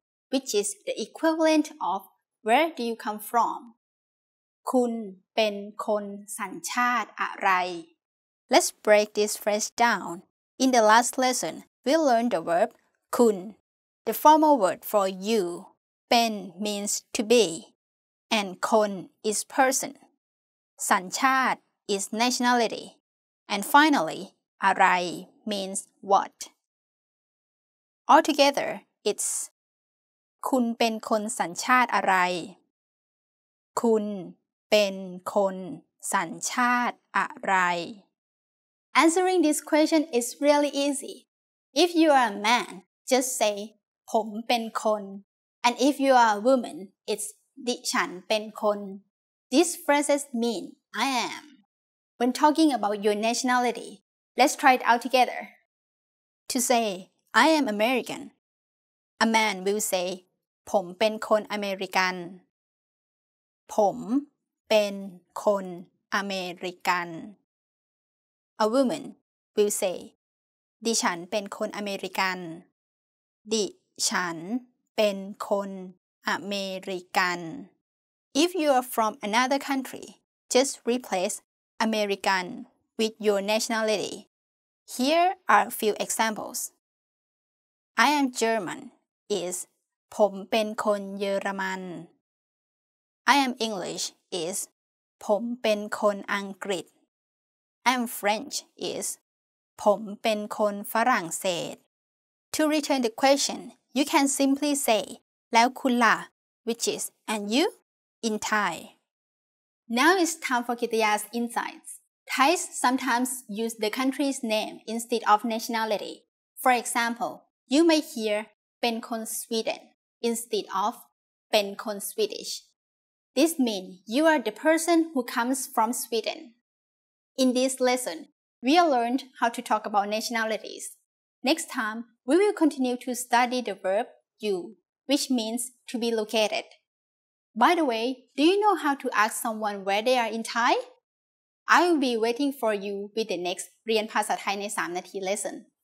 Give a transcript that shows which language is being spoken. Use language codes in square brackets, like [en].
[en] Which is the equivalent of, where do you come from? [th] คุณเป็นคนสัญชาติอะไร? [en] Let's break this phrase down. In the last lesson, we learned the verb, คุณ, the formal word for you. เป็น means to be, and คน is person. สัญชาติ is nationality. And finally,อะไร means what. Altogether, it's [th] คุณเป็นคนสัญชาติอะไร? คุณเป็นคนสัญชาติอะไร? [en] Answering this question is really easy. If you are a man, just say [th] ผมเป็นคน. [en] And if you are a woman, it's [th] ดิฉันเป็นคน. [en] These phrases mean I am. When talking about your nationality,Let's try it out together. To say, I am American, a man will say, [th] ผมเป็นคนอเมริกัน. ผมเป็นคนอเมริกัน. [en] A woman will say, [th] ดิฉันเป็นคนอเมริกัน. ดิฉันเป็นคนอเมริกัน. [en] If you are from another country, just replace American with your nationality. Here are a few examples. I am German is [th] ผมเป็นคนเยอรมัน. [en] I am English is [th] ผมเป็นคนอังกฤษ. [en] I am French is [th] ผมเป็นคนฝรั่งเศส. [en] To return the question, you can simply say [th] แล้วคุณล่ะ, [en] which is and you in Thai. Now it's time for Kitaya's insights. Thais sometimes use the country's name instead of nationality. For example, you may hear [th] เป็นคน [en] Sweden instead of เป็นคน Swedish. This means you are the person who comes from Sweden. In this lesson, we learned how to talk about nationalities. Next time, we will continue to study the verb you, which means to be located. By the way, do you know how to ask someone where they are in Thai? I will be waiting for you with the next เรียนภาษาไทยใน3นาที lesson.